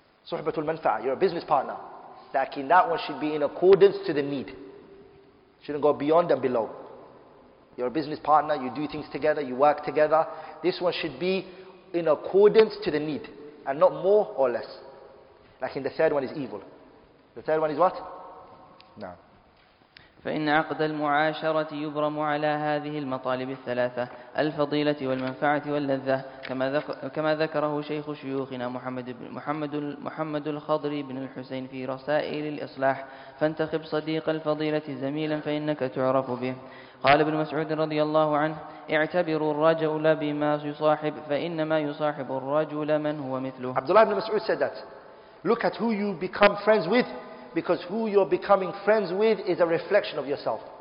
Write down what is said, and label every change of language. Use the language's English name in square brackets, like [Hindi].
[English] Suhbatul Manfa'a, you're a business partner. Lakin that one should be in accordance to the need. Shouldn't go beyond and below. You're a business partner, you do things together, you work together. This one should be in accordance to the need and not more or less. Lakin the third one is evil. The third one is what? No. [Arabic] فإن عقد المعاشرة يبرم على هذه المطالب الثلاثة الفضيلة والمنفعة واللذة كما ذكره شيخ شيوخنا محمد الخضر بن الحسين في رسائل الإصلاح فانتخب صديق الفضيلة زميلا فإنك تعرف به. قال ابن مسعود رضي الله عنه اعتبروا الرجل بما يصاحب فإنما يصاحب الرجل من هو مثله. [English] عبد الله بن مسعود said that look at who you become friends with, because who you're becoming friends with is a reflection of yourself.